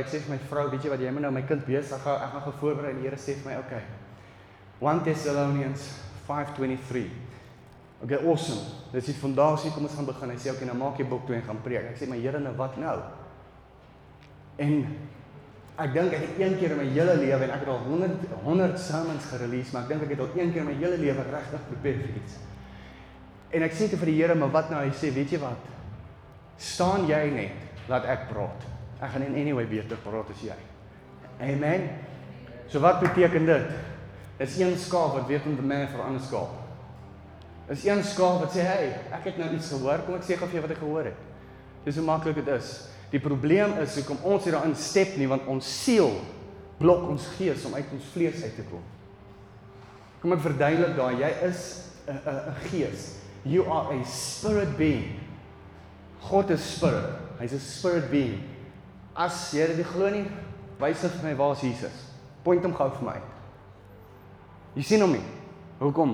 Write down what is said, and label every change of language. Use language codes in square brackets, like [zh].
[af] Ek sê vir my vrou, "Weet jy wat, jy moet nou my kind besig hou. Ek gaan voorberei." En die Here sê vir my, "Okay. [en] 1 Thessalonians 5:23." Okay, awesome. [af] Dis die fondasie, kom ons gaan begin. Hy sê, "Okay, nou maak jy boek toe en gaan preek." Ek sê, "Maar Here, nou wat nou?" En Ek dink ek het een keer in my hele lewe en ek het al 100 sermons gereleased, maar ek dink ek het al een keer in my hele lewe regtig prepared vir iets. En ek sê toe vir die Here, maar wat nou? Hy sê, weet jy wat? Staan jy net, laat ek praat. Ek gaan in anyway beter praat as jy. Amen. So wat beteken dit? Is een skaap wat weet om te man vir 'n ander skaap. Is een skaap wat sê, "Hey, ek het nou iets gehoor, kom ek sê gou vir jou wat ek gehoor het." Dis hoe maklik dit is. Die probleem is hoekom ons hier daarin step nie, want ons siel blok ons gees om uit ons vlees uit te kom. Kom ek verduidelik daai, jy is 'n gees. [en] You are a spirit being. [af] God is spirit. Hy's [en] a spirit being. [af] As jy dit glo nie, wys vir my waar is Jesus. Point hom gou vir my. Jy sien hom nie. Hoekom?